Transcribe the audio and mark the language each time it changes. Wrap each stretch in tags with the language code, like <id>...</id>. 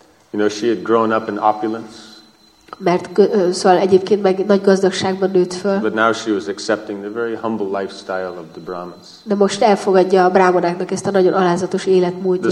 <en>You know, she had grown up in opulence.</en> <hu>Mert szóval egyébként meg nagy gazdagságban nőtt föl.</hu> <en>But now she was accepting the very humble lifestyle of the Brahmins.</en> <hu>De most elfogadja a brahmanáknak ezt a nagyon alázatos életmódját.</hu>